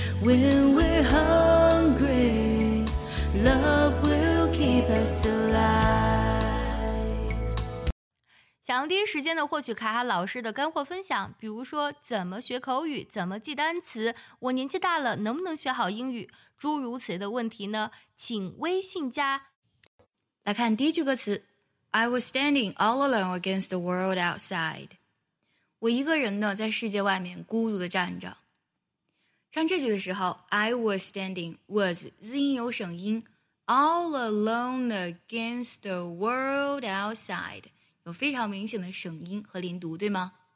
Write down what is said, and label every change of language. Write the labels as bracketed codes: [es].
[en] When we're hungry, love will keep us alive. [zh] 想要第一时间的获取卡卡老师的干货分享，比如说怎么学口语，怎么记单词，我年纪大了能不能学好英语，诸如此类的问题呢，请微信加。来看第一句歌词， [en] I was standing all alone against the world outside. [zh] 我一个人呢在世界外面孤独地站着。唱这句的时候 [en] I was standing, was, [zh] 字音有省音 [en] All alone against the world outside, [zh] 有非常明显的省音和连读，对吗？